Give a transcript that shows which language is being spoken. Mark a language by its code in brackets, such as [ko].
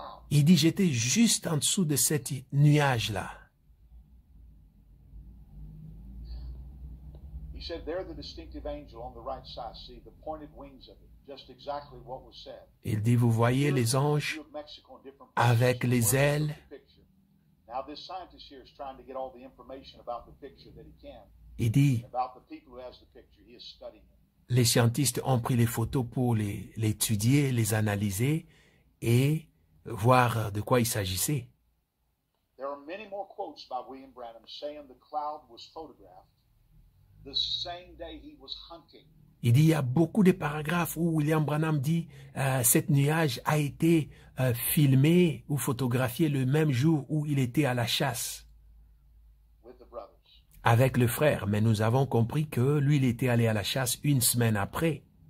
[fr] Il dit, j'étais juste en dessous de cet nuage-là. [en] He said, "They're the distinctive angel on the right side. See the pointed wings of it. Just exactly what was said." [fr] Il dit, vous voyez les anges avec les ailes. [en] Now this scientist here is trying to get all the information about the picture that he can. [fr] Il dit, [en] about the people who has the picture, he is studying it. [fr] Les scientifiques ont pris les photos pour les étudier, les analyser et voir de quoi il s'agissait. [en] There are many more quotes by William Branham saying the cloud was photographed. The same day he was hunting. [fr] Il dit, il y a beaucoup de paragraphes où William Branham dit, cette nuage a été filmé ou photographié le même jour où il était à la chasse. [en] With the brothers. [fr] Avec le frère, mais nous avons compris que lui, il était allé à la chasse une semaine après.